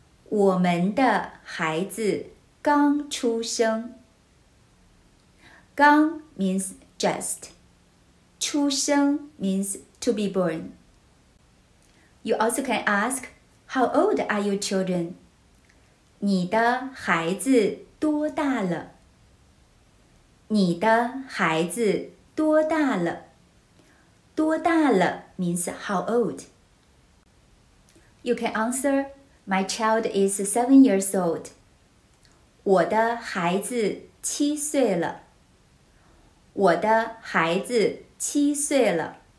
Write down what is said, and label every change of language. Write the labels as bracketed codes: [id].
[zh] 我们的孩子刚出生。 [en] 刚 means just. 出生 means to be born. You also can ask, how old are your children? [zh] 你的孩子多大了？你的孩子多大了？多大了 [en] means how old. You can answer, my child is 7 years old. [zh] 我的孩子七岁了。我的孩子七岁了。